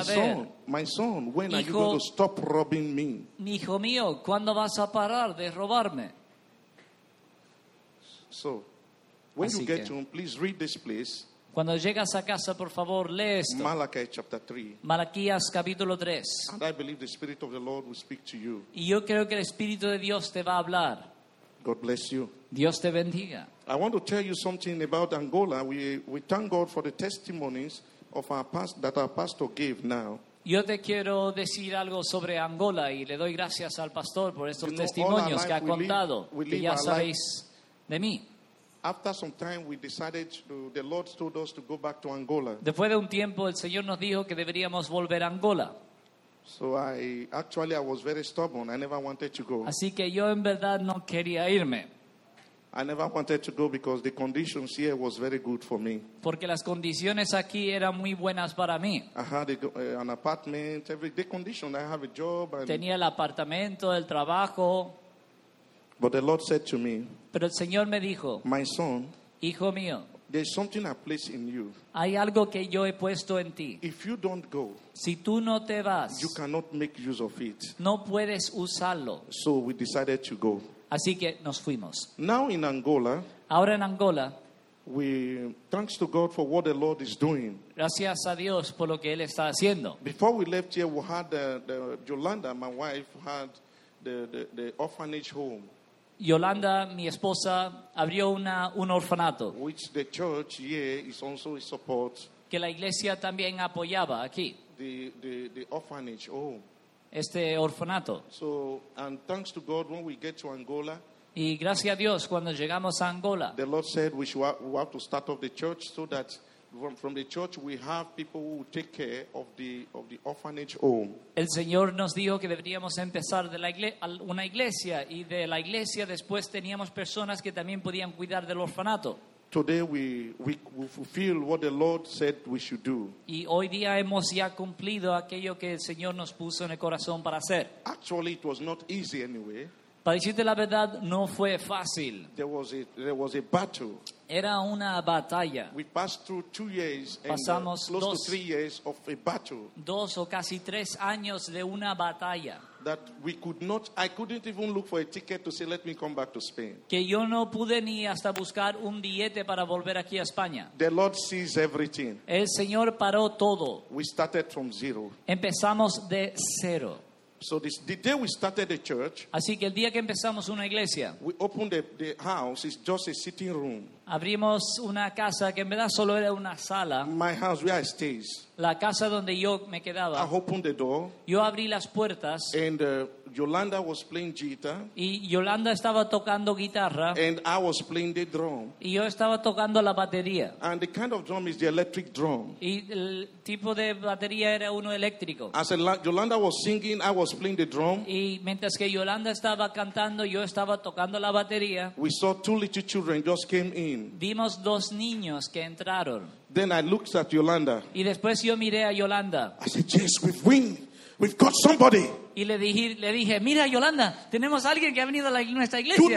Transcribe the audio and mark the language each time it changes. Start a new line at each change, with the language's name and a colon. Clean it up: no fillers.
English: my son, ver. My son, when
Spanish: hijo,
English: are you going to stop robbing me?
Spanish: Hijo mío, ¿cuándo vas a parar de robarme?
English: So, when así you get que, to home, please read this place.
Spanish: Cuando llegas a casa, por favor, lee esto.
English: Malachi chapter 3.
Spanish: Malaquías capítulo 3.
English: And I believe the Spirit of the Lord will speak to you.
Spanish: Y yo creo que el Espíritu de Dios te va a hablar.
English: God bless you.
Spanish: Dios te bendiga.
English: I want to tell you something about Angola. We thank God for the testimonies of our past that our pastor gave now.
Spanish: Yo te quiero decir algo sobre Angola y le doy gracias al pastor por estos testimonios que ha contado. Que ya sabéis de mí.
English: After some time, we decided to, the Lord told us to go back to Angola.
Spanish: Después de un tiempo, el Señor nos dijo que deberíamos volver a Angola.
English: So I was very stubborn. I never wanted to go.
Spanish: Así que yo en verdad no quería irme.
English: I never wanted to go because the conditions here was very good for me.
Spanish: Porque las condiciones aquí eran muy buenas para mí.
English: I had an apartment, every day condition. I have a job. And
Spanish: tenía el apartamento, el trabajo.
English: But the Lord said to me.
Spanish: Pero el Señor me dijo.
English: My son.
Spanish: Hijo mío.
English: There's something I place in you.
Spanish: Hay algo que yo he puesto en ti.
English: If you don't go,
Spanish: si tú no te vas,
English: you cannot make use of it.
Spanish: No puedes usarlo.
English: So we decided to go.
Spanish: Así que nos fuimos.
English: Now in Angola,
Spanish: ahora en Angola,
English: we thanks to God for what the Lord is doing.
Spanish: Gracias a Dios por lo que él está haciendo.
English: Before we left here, we had the Yolanda, my wife, had the orphanage home.
Spanish: Yolanda, mi esposa, abrió un orfanato.
English: Which the church here is also a support.
Spanish: Que la iglesia también apoyaba aquí.
English: The orphanage home.
Spanish: Este orfanato.
English: So, and thanks to God, when we get to Angola,
Spanish: y gracias a Dios cuando llegamos a Angola,
English: the Lord said we have to start off the church so that from the church we have people who take care of the orphanage home.
Spanish: El Señor nos dijo que deberíamos empezar de la una iglesia y de la iglesia después teníamos personas que también podían cuidar del orfanato.
English: Today we fulfill what the Lord said we should do.
Spanish: Y hoy día hemos ya cumplido aquello que el Señor nos puso en el corazón para hacer.
English: Actually, it was not easy anyway.
Spanish: Para decirte la verdad, no fue fácil.
English: There was a battle.
Spanish: Era una batalla.
English: We passed through 2 years
Spanish: pasamos
English: and close to 3 years of a battle.
Spanish: Dos o casi tres años de una batalla.
English: That we could not, I couldn't even look for a ticket to say, let me come back to Spain.
Spanish: Que yo no pude ni hasta buscar un billete para volver aquí a España.
English: The Lord sees everything.
Spanish: El Señor paró todo.
English: We started from zero.
Spanish: Empezamos de cero.
English: So the day we started the church,
Spanish: así que el día que empezamos una iglesia,
English: we opened the house, it's just a sitting room.
Spanish: Abrimos una casa que en verdad solo era una sala.
English: My house where I stays.
Spanish: La casa donde yo me quedaba.
English: I opened the door.
Spanish: Yo abrí las puertas.
English: And Yolanda was playing guitar.
Spanish: Y Yolanda estaba tocando guitarra.
English: And I was playing the drum.
Spanish: Y yo estaba tocando la batería.
English: And the kind of drum is the electric drum.
Spanish: Y el tipo de batería era uno eléctrico.
English: As Yolanda was singing, I was playing the drum.
Spanish: Y mientras que Yolanda estaba cantando, yo estaba tocando la batería.
English: We saw two little children just came in.
Spanish: Vimos dos niños que entraron.
English: Then I looked at Yolanda.
Spanish: Y después yo miré a Yolanda.
English: I said, yes, we've won. We've got somebody.
Spanish: Y le dije, mira Yolanda, tenemos alguien que ha venido a nuestra iglesia.